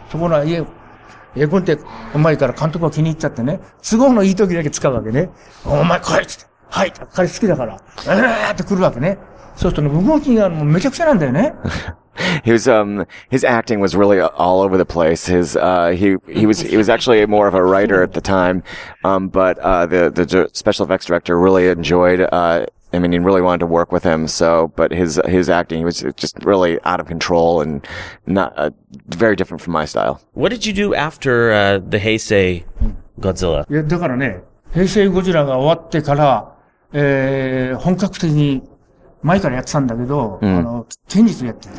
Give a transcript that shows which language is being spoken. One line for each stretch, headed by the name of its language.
Japanese: ところが、絵コンテ、うまいから監督は気に入っちゃってね。都合のいい時だけ使うわけね。お前、こいつって。はい、彼好きだから、って来るわけね。そうするとね、動きがもうめちゃくちゃなんだよね。
English: His acting was really all over the place. He was actually more of a writer at the time. But the special effects director really enjoyed, he really wanted to work with him. So, but his acting was just really out of control and not very different from my style. What did you do after, the Heisei Godzilla?
Japanese: いや、だからね、平成ゴジラが終わってから、本格的に前からやってたんだけど、剣術やってる、